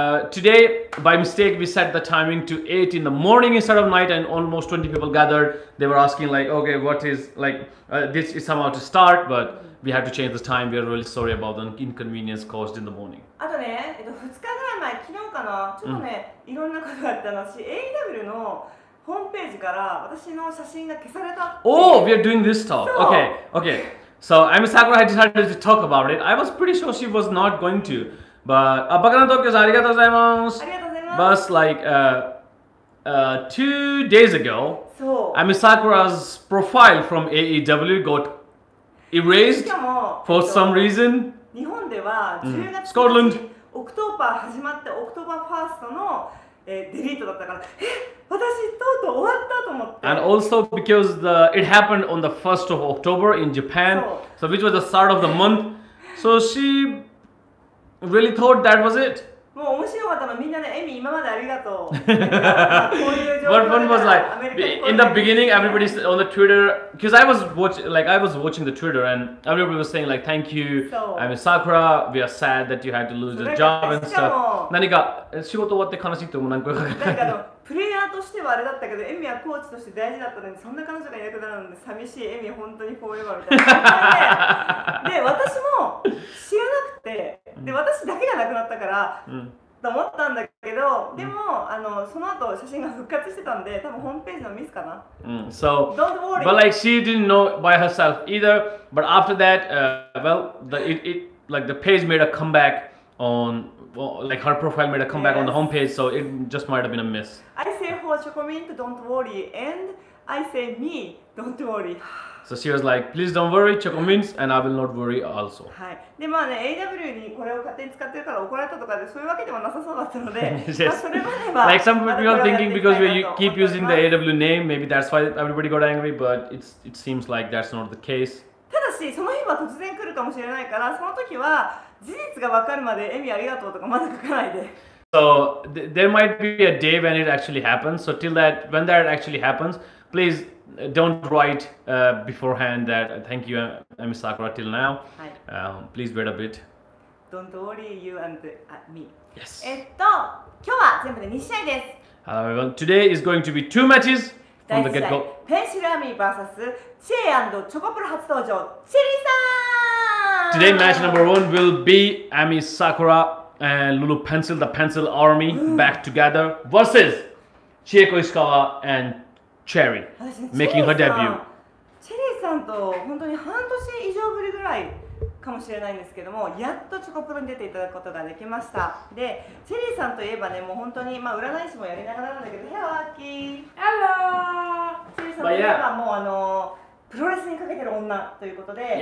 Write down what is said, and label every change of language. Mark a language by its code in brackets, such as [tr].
[en] Today, by mistake, we set the timing to 8 in the morning instead of night, and almost 20 people gathered. They were asking, like, okay, what is, like, this is somehow to start, but we had to change the time. We are really sorry about the inconvenience caused in the morning. [ja] あとね、2日ぐらい前、昨日かな、ちょっとね、いろんなことがあったのし、AEW のホームページから私の写真が消された。 [en] Oh, we are doing this talk. Okay, okay. So, Emi Sakura had decided to talk about it. I was pretty sure she was not going to. But, Bakana Tokyo, [ja] ありがとうございます。 [en] But, like, 2 days ago, Emi Sakura's profile from AEW got erased for some reason. [ja] 日本では10月、 [en] Scotland. [ja] October 始まって October 1st の delete だったから、私とうとう終わったと思って。 [en] And also because it happened on the 1st of October in Japan, so which was the start of the month, so she really thought that was it. [ja] もう面白かったの、みんなね、エミ今までありがとう。 [en] But one was like, in the beginning, everybody on the Twitter, because I was watching the Twitter, and everybody was saying like, thank you, I'm Sakura, we are sad that you had to lose the job and stuff. [ja] 何か仕事終わって悲しいと思う、何か。プレイヤーとしてはあれだったけど、エミはコーチとして大事だったのに、そんな彼女がいなくなるので寂しい、エミ本当にフォーエバーみたいな。で、私も知らなくて、で、私だけがなくなったから、と思ったんだけど、でも、その後写真が復活してたんで、多分ホームページのミスかな。 [en] So, don't worry. But like, she didn't know by herself either, but after that, the page made a comeback on... Well, like her profile made a comeback on the homepage, so it just might have been a miss. I say for Chocomint, don't worry, and I say me, don't worry. So she was like, please don't worry, Chocomint, and I will not worry also. [ja] はい。でまあね、AW にこれを勝手に使ってるから怒られたとかでそういうわけでもなさそうだったので、 [en] yes. [ja] まあそれまでは。 [en] Like some people thinking because we keep using the AW name, maybe that's why everybody got angry, but it seems like that's not the case. [ja] ただし、その日は突然来るかもしれないから、その時は。事実が分かるまでエミありがとうとかまだ書かないで。 [en] So there might be a day when it actually happens. So till that, when that actually happens, please don't write beforehand that thank you, Emi Sakura. Till now,、 [ja] はい [en] please wait a bit. Don't worry, you and me. Yes. [ja] 今日は全部で2試合です。 [en] Well, today is going to be 2 matches from the get-go. [ja] ペンシルアミー vs チェ&チョコプロ初登場チェリーさん。 [en] Today, match number one will be Emi Sakura and Lulupencil, the Pencil Army, back together versus Chie Koishikawa and Cherry, making her debut. [ja] Cherry-san, 本当に半年以上ぶりぐらいかもしれないんですけども、やっとチョコプロに出ていただくことができました。で、チェリーさんといえばね、もう本当に、まあ、占い師もやりながらなんだけど、ヘアワーキー。 [en] ハロー。 [ja] チェリーさんといえばもう、あの、プロレスにかけてる女ということで、